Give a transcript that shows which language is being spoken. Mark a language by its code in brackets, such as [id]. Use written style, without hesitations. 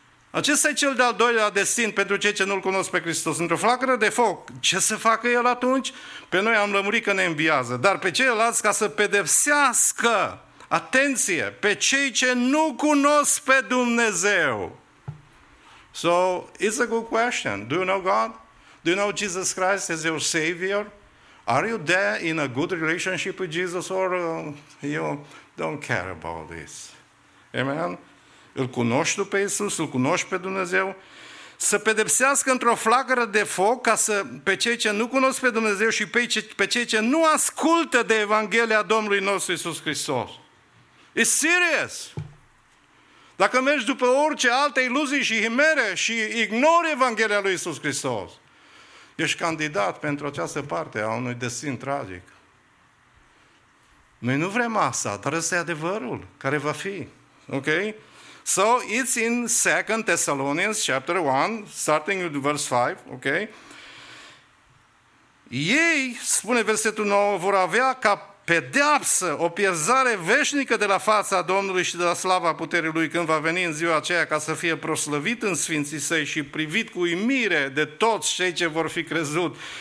[ro] Acesta e cel de-al doilea destin pentru cei ce nu-L cunosc pe Hristos. Într-o flacără de foc. Ce să facă El atunci? Pe noi am lămurit că ne înviază. Dar pe ceilalți ca să pedepsească, atenție, pe cei ce nu cunosc pe Dumnezeu. [en] So, it's a good question. Do you know God? Do you know Jesus Christ as your Savior? Are you there in a good relationship with Jesus or you don't care about this? [ro] Amen? Îl cunoști tu pe Iisus? Îl cunoști pe Dumnezeu? Să pedepsească într-o flacără de foc ca să, pe cei ce nu cunosc pe Dumnezeu și pe cei ce nu ascultă de Evanghelia Domnului nostru Iisus Hristos. [en] It's serious! [ro] Dacă mergi după orice alte iluzii și himere și ignori Evanghelia lui Iisus Hristos, ești candidat pentru această parte a unui destin tragic. Noi nu vrem asta, dar ăsta e adevărul care va fi. [en] Ok? So, it's in 2 Thessalonians chapter 1, starting with verse 5. Ok? [ro] Ei, spune versetul 9, vor avea ca pedeapsă, o pierzare veșnică de la fața Domnului și de la slava puterii Lui când va veni în ziua aceea ca să fie proslăvit în sfinții Săi și privit cu uimire de toți cei ce vor fi crezut.